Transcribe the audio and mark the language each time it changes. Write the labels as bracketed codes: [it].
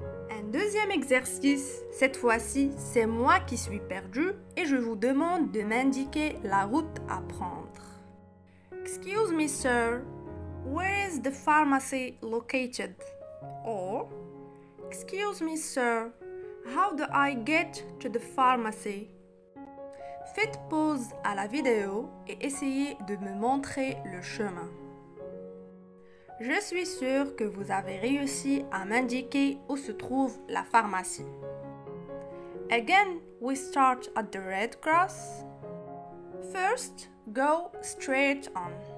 [fr] Un deuxième exercice, cette fois-ci, c'est moi qui suis perdue et je vous demande de m'indiquer la route à prendre. [en] Excuse me, sir, where is the pharmacy located? Or, excuse me, sir, how do I get to the pharmacy? [fr] Faites pause à la vidéo et essayez de me montrer le chemin. Je suis sûre que vous avez réussi à m'indiquer où se trouve la pharmacie. [en] Again, we start at the red cross. First, go straight on.